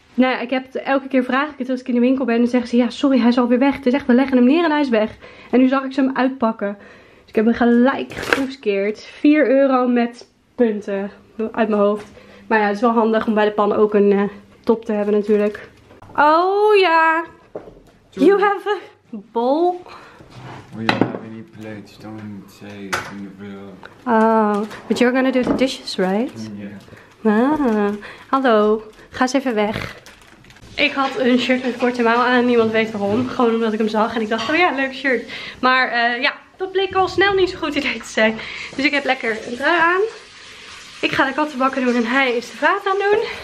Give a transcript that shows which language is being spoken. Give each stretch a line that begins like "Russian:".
Dutch: Nou ja, ik heb het, elke keer vraag ik het als ik in de winkel ben. En zeggen ze, ja sorry, hij is alweer weg. Het is echt, we leggen hem neer en hij is weg. En nu zag ik ze hem uitpakken. Dus ik heb hem gelijk geproefskeerd. 4 euro met punten uit mijn hoofd. Maar ja, het is wel handig om bij de pan ook een top te hebben natuurlijk. Oh ja.
English: You have a bowl.
Dutch: Oh ja,
English: we need plates, don't say it in the bill. Oh, but you're gonna do the dishes, right?
Dutch: Ja.
English: Yeah.
Dutch: Ah, hallo. Ga eens even weg. Ik had een shirt met korte mouw aan, niemand weet waarom. Gewoon omdat ik hem zag en ik dacht, oh ja, leuk shirt. Maar ja, dat bleek al snel niet zo'n goed idee te zijn. Dus ik heb lekker een trui aan. Ik ga de kattenbakken doen en hij is de vaat aan doen.